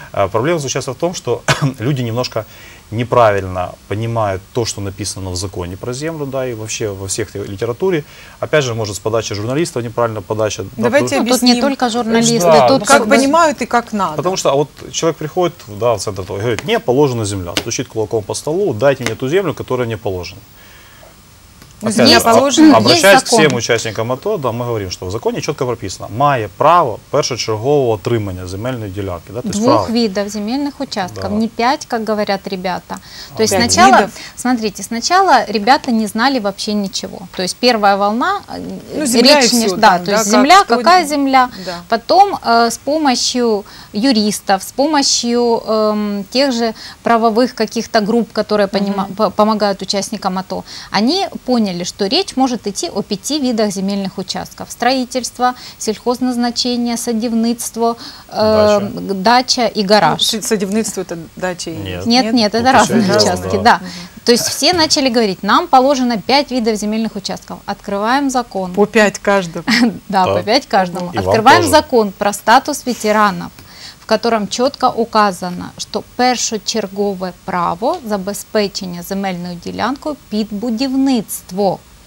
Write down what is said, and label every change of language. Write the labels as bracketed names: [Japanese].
[Russian] Проблема заключается в том, что люди немножко неправильно понимают то, что написано в законе про землю, да, и вообще во всех литературе. Опять же, может, с подачи журналистов неправильная подача. Давайте объясним. Тут не только журналисты, да, тут как понимают и как надо. Потому что вот человек приходит, да, в центр того, и говорит, не положена земля, стучит кулаком по столу, дайте мне ту землю, которая мне положена. Обращаясь к всем учасникам АТО, [Ukrainian] да, ми говоримо, що в законі чітко прописано, має право першочергового отримання земельної ділянки. Да, двох видів земельних участків, да. Не п'ять, як говорять ребята. [Russian] То есть сначала, смотрите, сначала ребята не знали вообще ничего. То есть первая волна, земля, какая земля. Да. Потом с помощью юристов, с помощью тех же правовых каких-то групп, которые помогают участникам АТО, они поняли, что речь может идти о пяти видах земельных участков. Строительство, сельхозназначение, садивництво, дача и гараж. Садивництво – это дача и... Нет, это разные участки. Да. То есть все начали говорить, нам положено пять видов земельных участков. Открываем закон. По пять каждому. Да, по пять каждому. Открываем закон про статус ветеранов, в котором четко указано, что [Ukrainian] першочергове право забезпечення земельною ділянкою під будівництво.